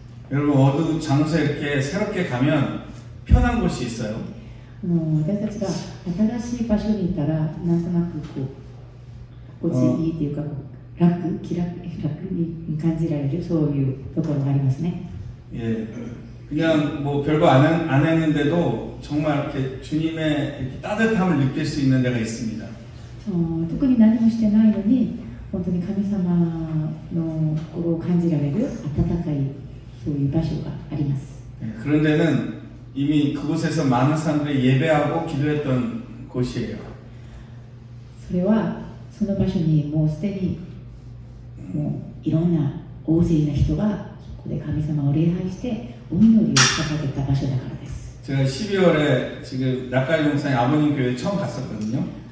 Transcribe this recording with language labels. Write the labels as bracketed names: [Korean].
[Korean] 여러분 어느 장소에 이렇게 새롭게 가면 편한 곳이 있어요. [Japanese] 私が新しい場所に行ったらなんとなくこう落ち着いていうか楽気楽楽に感じられるそういうところがありますね。 [Korean] 예, 그냥 뭐 별거 안 했는데도 정말 이렇게 주님의 이렇게 따뜻함을 느낄 수 있는 데가 있습니다. [Japanese] 特に何もしてないのに本当に神様の心を感じられる温かいそういう場所があります。 [Korean] 그런데는 이미 그곳에서 많은 사람들이 예배하고 기도했던 곳이에요. [Japanese] それはその場所にもうすでにもういろんな大勢な人がそこで神様を礼拝してお祈りを捧げた場所だからです。 [Korean] 제가 12월에 지금 낙가리 농사의 아버님 교회 처음 갔었거든요.